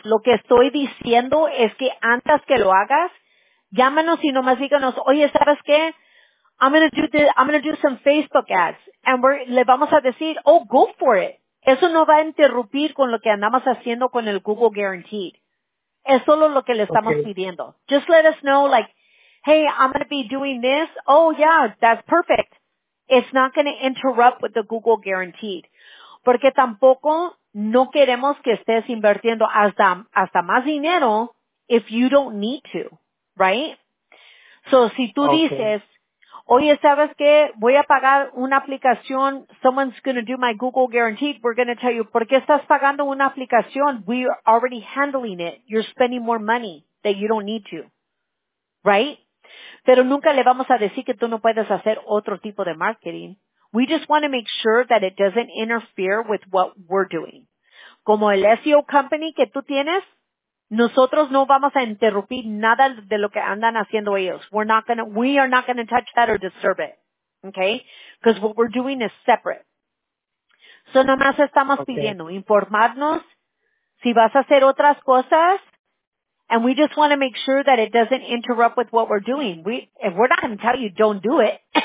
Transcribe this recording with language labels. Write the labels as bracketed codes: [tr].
[es] Lo que estoy diciendo es que antes que lo hagas, llámanos y nomás díganos, oye, ¿sabes qué? [en] I'm gonna do some Facebook ads. And [es] le vamos a decir, [en] oh, go for it. [es] Eso no va a interrumpir con lo que andamos haciendo con el Google Guaranteed. Es solo lo que le estamos pidiendo. [en] Just let us know, like, hey, I'm going to be doing this. Oh, yeah, that's perfect. It's not going to interrupt with the Google Guaranteed. [es] Porque tampoco no queremos que estés invirtiendo hasta más dinero [en] if you don't need to, right? [es] So, si tú dices, oye, ¿sabes qué? Voy a pagar una aplicación. [en] Someone's going to do my Google Guaranteed. We're going to tell you, [es] ¿por qué estás pagando una aplicación? [en] We are already handling it. You're spending more money that you don't need to. Right? [es] Pero nunca le vamos a decir que tú no puedes hacer otro tipo de marketing. [en] We just want to make sure that it doesn't interfere with what we're doing. [es] Como el SEO company que tú tienes, nosotros no vamos a interrumpir nada de lo que andan haciendo ellos. [en] We are not gonna touch that or disturb it. Okay? Because what we're doing is separate. [es] So nomás estamos pidiendo informarnos si vas a hacer otras cosas. [en] And we just want to make sure that it doesn't interrupt with what we're doing. If we're not gonna tell you, don't do it.